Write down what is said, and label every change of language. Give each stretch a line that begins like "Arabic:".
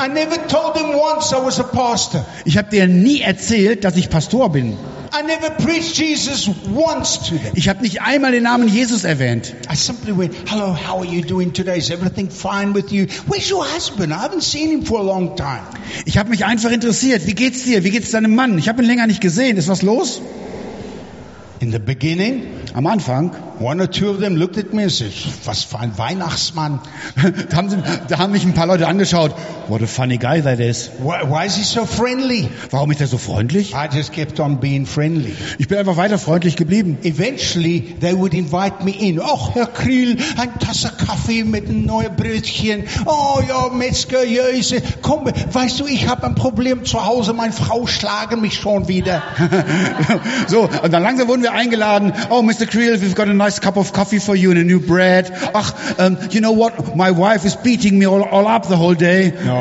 English: I never told them once I was a pastor.
German: Ich habe dir nie erzählt, dass ich Pastor bin.
English: I never preached Jesus once to them.
German: Ich habe nicht einmal den Namen Jesus erwähnt.
English: I simply went, hello, how are you doing today? Is everything fine with you? Where's your husband? I haven't seen him for a long time.
German: Ich habe mich einfach interessiert. Wie geht's dir? Wie geht's deinem Mann? Ich habe ihn länger nicht gesehen. Ist was los?
English: In the beginning,
German: am Anfang,
English: one or two of them looked at me and said,
German: was für ein Weihnachtsmann. da haben mich ein paar Leute angeschaut.
English: What a funny guy that is. Why is he so friendly?
German: Warum ist er so freundlich?
English: I just kept on being friendly.
German: Ich bin einfach weiter freundlich geblieben.
English: Eventually, they would invite me in.
German: Och, Herr Krill, ein Tasse Kaffee mit einem neuen Brötchen. Oh, ja, Metzger, ja, ist er. Komm, weißt du, ich habe ein Problem zu Hause. Meine Frau schlagen mich schon wieder. So, und dann langsam wurden wir eingeladen.
English: Oh, Mr. Krill, we've got a nice cup of coffee for you and a new bread. Ach, you know what? My wife is beating me all up the whole day.